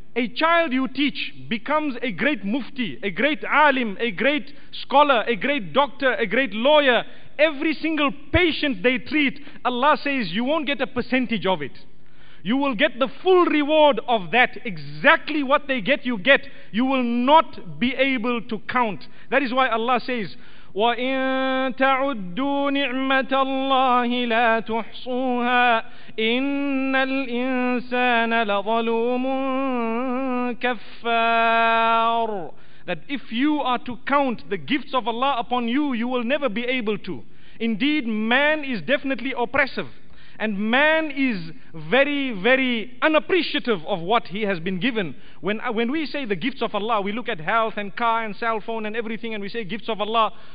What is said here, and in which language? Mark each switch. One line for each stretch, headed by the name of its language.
English: a child you teach becomes a great mufti, a great alim, a great scholar, a great doctor, a great lawyer, every single patient they treat, Allah says you won't get a percentage of it. You will get the full reward of that. Exactly what they get, you get. You will not be able to count. That is why Allah says,
Arabic: وَإِن تَعُدُّوا نِعْمَةَ اللَّهِ لَا تُحْصُوهَا إِنَّ الْإِنسَانَ لَظَلُومٌ كَفَّارٌ.
English: That if you are to count the gifts of Allah upon you, you will never be able to. Indeed, man is definitely oppressive. And man is very, very unappreciative of what he has been given. When we say the gifts of Allah, we look at health and car and cell phone and everything, and we say gifts of Allah.